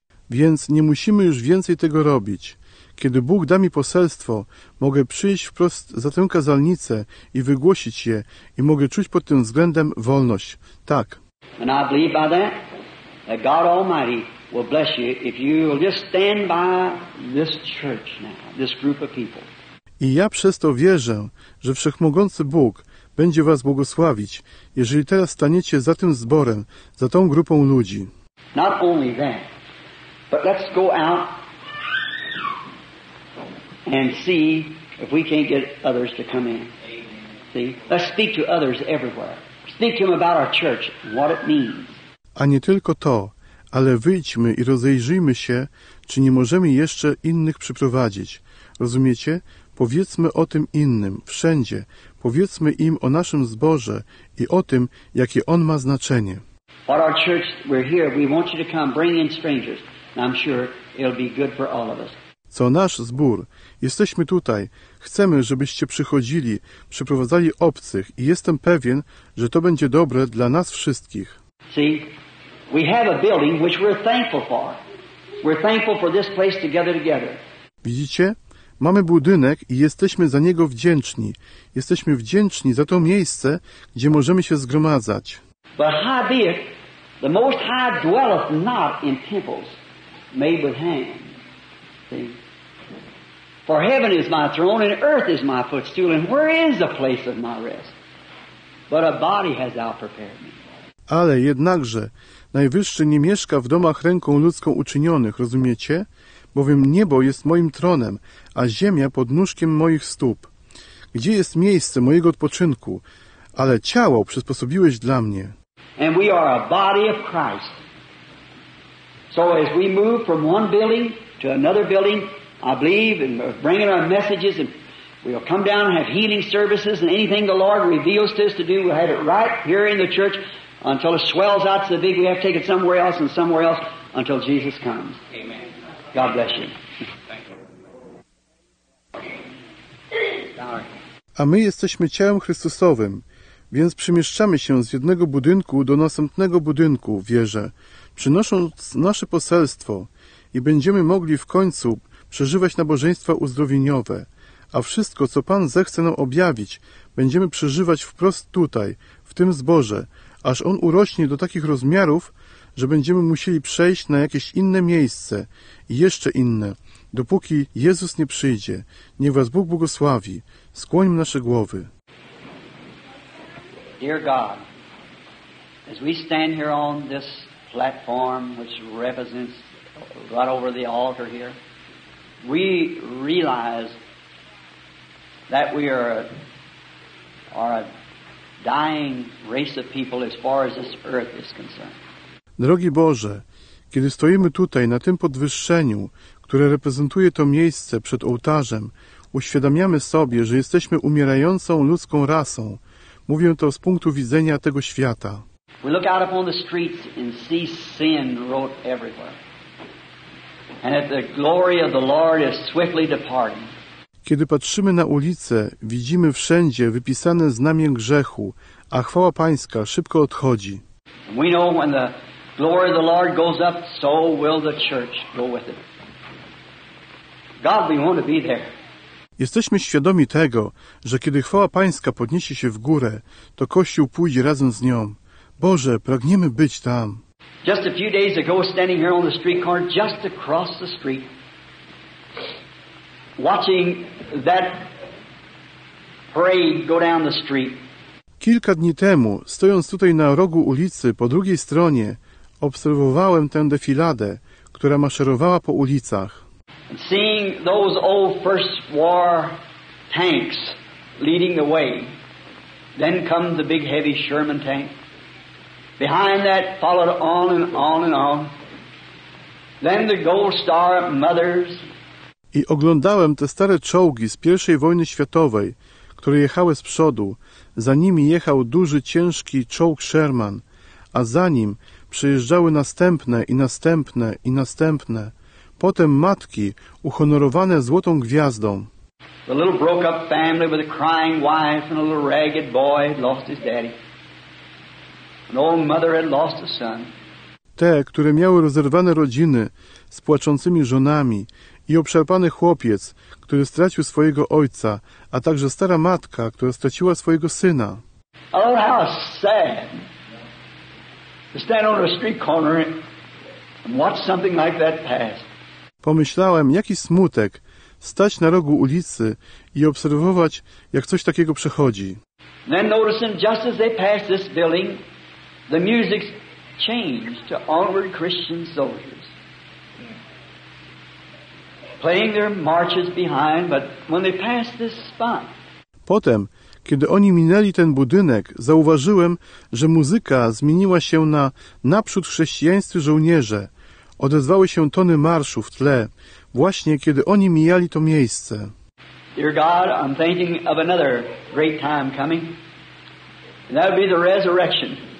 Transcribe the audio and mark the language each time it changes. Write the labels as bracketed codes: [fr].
[pl] Więc nie musimy już więcej tego robić. Kiedy Bóg da mi poselstwo, mogę przyjść wprost za tę kazalnicę i wygłosić je i mogę czuć pod tym względem wolność. Tak. [en] And I believe by that, that God Almighty will bless you if you will just stand by this church now, this group of people. [pl] I ja przez to wierzę, że Wszechmogący Bóg będzie was błogosławić, jeżeli teraz staniecie za tym zborem, za tą grupą ludzi. [en] Not only that, but let's go out and see if we can't get others to come in. See? Let's speak to others everywhere. Speak to them about our church, what it means. [pl] A nie tylko to, ale wyjdźmy i rozejrzyjmy się, czy nie możemy jeszcze innych przyprowadzić. Rozumiecie? Powiedzmy o tym innym, wszędzie. Powiedzmy im o naszym zborze i o tym, jakie on ma znaczenie. [en] What our church, we're here, we want you to come, bring in strangers. And I'm sure it'll be good for all of us. [pl] Co nasz zbór. Jesteśmy tutaj. Chcemy, żebyście przychodzili, przyprowadzali obcych i jestem pewien, że to będzie dobre dla nas wszystkich. [en] See, we have a building which we're thankful for. We're thankful for this place together together. [pl] Widzicie? Mamy budynek i jesteśmy za niego wdzięczni. Jesteśmy wdzięczni za to miejsce, gdzie możemy się zgromadzać. [en] But how be it, the Most High dwelleth not in temples made with hands. For heaven is my throne and earth is my footstool, and where is the place of my rest? But a body has thou prepared me. [pl] Ale jednakże Najwyższy nie mieszka w domach ręką ludzką uczynionych, rozumiecie? Bowiem niebo jest moim tronem, a ziemia pod nóżkiem moich stóp. Gdzie jest miejsce mojego odpoczynku? Ale ciało przysposobiłeś dla mnie. [en] And we are a body of Christ. So as we move from one building to another building, I believe, and bring in our messages, and we'll come down and have healing services, and anything the Lord reveals to us to do, we'll have it right here in the church, until it swells out so big, we have to take it somewhere else and somewhere else, until Jesus comes. Amen. God bless you. Thank you. [pl] A my jesteśmy ciałem Chrystusowym, więc przemieszczamy się z jednego budynku do następnego budynku, wierzę, przynosząc nasze poselstwo, i będziemy mogli w końcu przeżywać nabożeństwa uzdrowieniowe, a wszystko, co Pan zechce nam objawić, będziemy przeżywać wprost tutaj, w tym zborze, aż on urośnie do takich rozmiarów, że będziemy musieli przejść na jakieś inne miejsce i jeszcze inne, dopóki Jezus nie przyjdzie. Niech was Bóg błogosławi. Skłońmy nasze głowy. [en] Dear God, as we stand here on this platform, which represents right over the altar here, we realize that we are a dying race of people as far as this earth is concerned. [pl] Drogi Boże, kiedy stoimy tutaj na tym podwyższeniu, które reprezentuje to miejsce przed ołtarzem, uświadamiamy sobie, że jesteśmy umierającą ludzką rasą. Mówię to z punktu widzenia tego świata. [en] We look out upon the streets and see sin wrote everywhere. And that the glory of the Lord is swiftly departing. [pl] Kiedy patrzymy na ulicę, widzimy wszędzie wypisane znamię grzechu, a chwała Pańska szybko odchodzi. [en] We know when the glory of the Lord goes up, so will the church go with it. God, we want to be there. [pl] Jesteśmy świadomi tego, że kiedy chwała Pańska podniesie się w górę, to Kościół pójdzie razem z nią. Boże, pragniemy być tam. [en] Just a few days ago, standing here on the street corner, just across the street, watching that parade go down the street. [pl] Kilka dni temu, stojąc tutaj na rogu ulicy po drugiej stronie, obserwowałem tę defiladę, która maszerowała po ulicach. [en] Seeing those old First War tanks leading the way, then come the big heavy Sherman tank. Behind that followed on and on and on. Then the Gold Star mothers. [pl] I oglądałem te stare czołgi z pierwszej wojny światowej, które jechały z przodu. Za nimi jechał duży, ciężki czołg Sherman, a za nim przejeżdżały następne i następne i następne. Potem matki uhonorowane Złotą Gwiazdą. [en] The little broke-up family with a crying wife and a little ragged boy had lost his daddy. An old mother had lost a son. [pl] Te, które miały rozerwane rodziny z płaczącymi żonami i obszarpany chłopiec, który stracił swojego ojca, a także stara matka, która straciła swojego syna. [en] Oh, how sad to stand on a street corner and watch something like that pass. [pl] Pomyślałem, jaki smutek stać na rogu ulicy i obserwować, jak coś takiego przechodzi. [en] Then noticing just as they passed this building, the music changed to Onward Christian Soldiers, playing their marches behind, but when they passed this spot. [pl] Potem, kiedy oni minęli ten budynek, zauważyłem, że muzyka zmieniła się na Naprzód Chrześcijańscy Żołnierze. Odezwały się tony marszu w tle, właśnie kiedy oni mijali to miejsce. [en] Dear God, I'm thinking of another great time coming. And that'll be the resurrection.